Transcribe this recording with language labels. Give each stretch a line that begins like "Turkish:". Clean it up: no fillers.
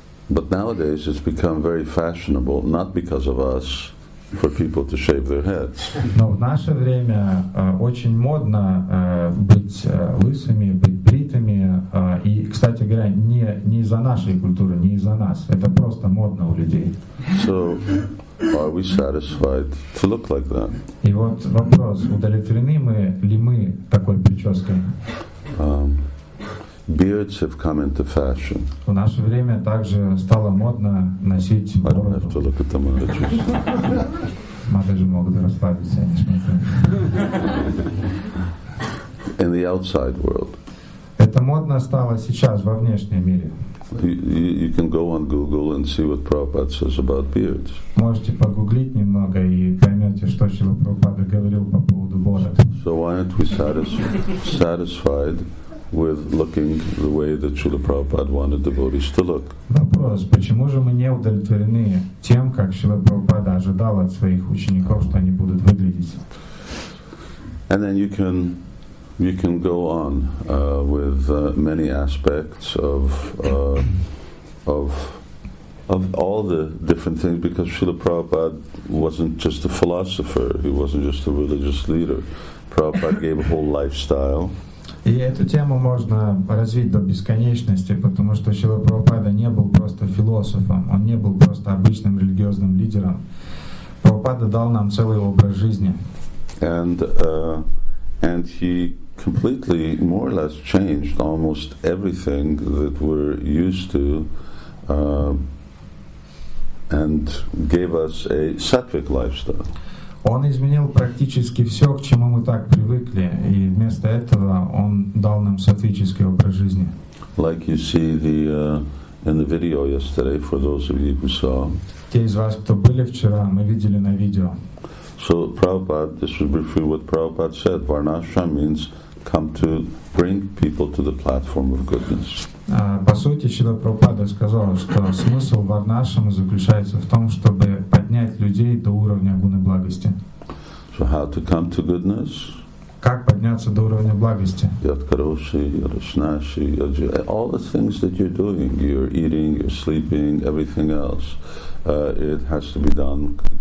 English: But nowadays it's become very fashionable, not because of us, for people to shave their heads.
Russian: Но в наше время очень модно быть лысыми, быть бритыми, и, кстати говоря, не из-за нашей культуры, не из-за нас. Это просто модно у людей.
English: So, are we satisfied to look like that?
Russian: И вот вопрос, удовлетворены мы ли мы такой прической?
English: Beards have come into fashion.
Russian: В наше время также стало модно носить бороду.
English: I don't have to look at the Madhajis.
Russian: Madhajis могут расслабиться, не
English: In the outside world.
Russian: Это модно стало сейчас во внешнем мире.
English: You can go on Google and see what Prabhupada says about beards.
Russian: Можете погуглить немного и поймете, что Шрила Прабхупада говорил по поводу бороды.
English: So why aren't we satisfied? With looking the way that Srila Prabhupada wanted devotees to look.
Russian: Вопрос, почему же мы не удовлетворены тем, как Шрила Прабхупада ожидал от своих учеников, что они будут выглядеть?
English: And then you can go on with many aspects of all the different things, because Srila Prabhupada wasn't just a philosopher, he wasn't just a religious leader. Prabhupada gave a whole lifestyle.
Russian: И эту тему можно развить до бесконечности, потому что Шрила Прабхупада не был просто философом, он не был просто обычным религиозным лидером. Прабхупада дал нам целый образ жизни.
English: And he completely, more or less, changed almost everything that we're used to, and gave us a sattvic lifestyle.
Russian: Он изменил практически все, к чему мы так привыкли, и вместо этого он дал нам сатвический образ жизни.
English: like you see the in the video yesterday, for those of you who saw.
Russian: Те из вас, кто были вчера, мы видели на видео.
English: So Prabhupada, this was briefly what Prabhupada said. Varnashram means come to bring people to the platform of goodness.
Russian: По сути, Шрила Прабхупада сказал, что смысл Варнашрама заключается в том, чтобы поднять людей до уровня гуны благости.
English: So how to come to goodness?
Russian: Как подняться до уровня благости?
Sanskrit: Ядкаруши, Ядашнаши, Яджи,
English: all the things that you're doing, you're eating, you're sleeping, everything else, it has to be done.